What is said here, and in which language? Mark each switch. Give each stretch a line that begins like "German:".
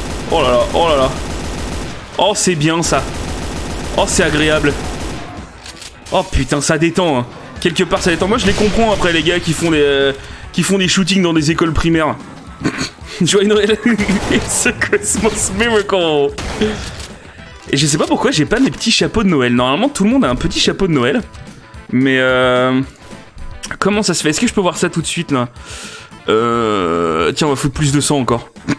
French: Oh là là, oh là là. Oh c'est bien ça. Oh c'est agréable. Oh putain ça détend hein. Quelque part ça détend, moi je les comprends après les gars qui font des shootings dans des écoles primaires. Joyeux Noël.
English: It's a Christmas miracle.
French: Et je sais pas pourquoi j'ai pas mes petits chapeaux de Noël. Normalement tout le monde a un petit chapeau de Noël. Mais comment ça se fait? Est-ce que je peux voir ça tout de suite là? Tiens, on va foutre plus de sang encore.